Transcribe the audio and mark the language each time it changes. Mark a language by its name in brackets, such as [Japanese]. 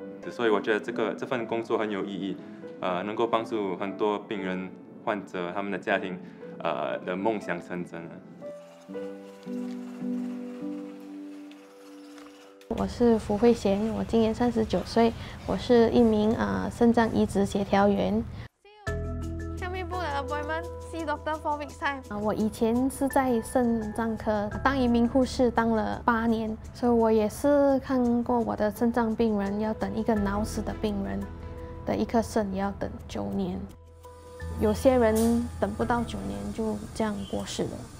[Chinese] 所以我觉得这份工作很有意义。能够帮助很多病人、患者他们的家庭，的梦想成真了。我是福慧贤，我今年39岁，我是一名肾脏移植协调员。 [English] Can we book an appointment? See doctor for a week time. [Chinese] 我以前是在肾脏科当一名护士，当了8年，所以我也是看过我的肾脏病人要等一个脑死的病人。的一颗肾要等9年，有些人等不到9年就这样过世了。